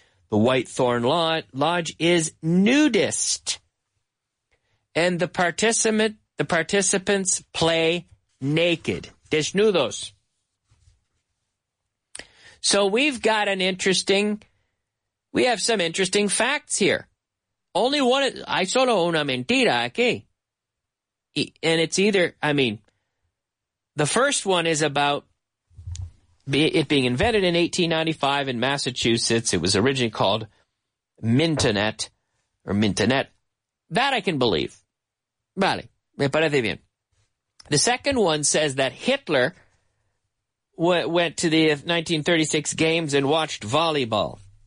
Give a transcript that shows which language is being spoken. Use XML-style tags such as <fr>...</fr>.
<en>The White Thorn Lodge is nudist, and the participants play naked, desnudos. So we have some interesting facts here. Only one,</en> <es>hay solo una mentira aquí.</es> <en>And it's either, I mean, the first one is about it being invented in 1895 in Massachusetts. It was originally called Mintonette. That I can believe.</en> <es>Vale, me parece bien.</es> <en>The second one says that Hitler went to the 1936 games and watched volleyball.</en>